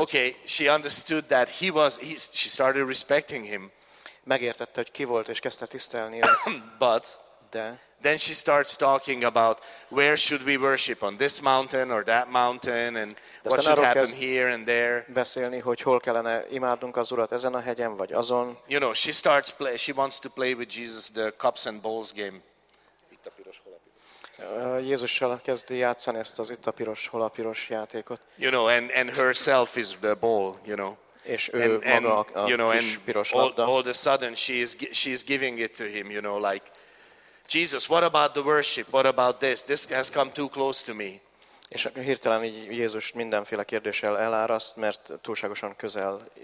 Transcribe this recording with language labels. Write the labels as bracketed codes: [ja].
[en] Okay, she understood that she started respecting him. [hu] Megértette, hogy ki volt, és kezdte tisztelni őt. [en] But [hu] de [en] then she starts talking about where should we worship, on this mountain or that mountain, and what should happen here and there. [hu] Beszélni, hogy hol kellene imádnunk az Urat, ezen a hegyen vagy azon. [en] You know, she wants to play with Jesus the cups and bowls game. [hu] Itt a piros, hol a piros. Jézussal kezdi játszani ezt az itt a piros, hol a piros játékot. [en] You know, and herself is the bowl, you know. [hu] És ő maga a kis, [en] you know, [hu] piros labda. [en] All of a sudden she is giving it to him, you know, like, Jesus, what about the worship? What about this? This has come too close to me. [hu] És akkor hirtelen így Jézus mindenféle kérdéssel eláraszt, mert túlságosan közel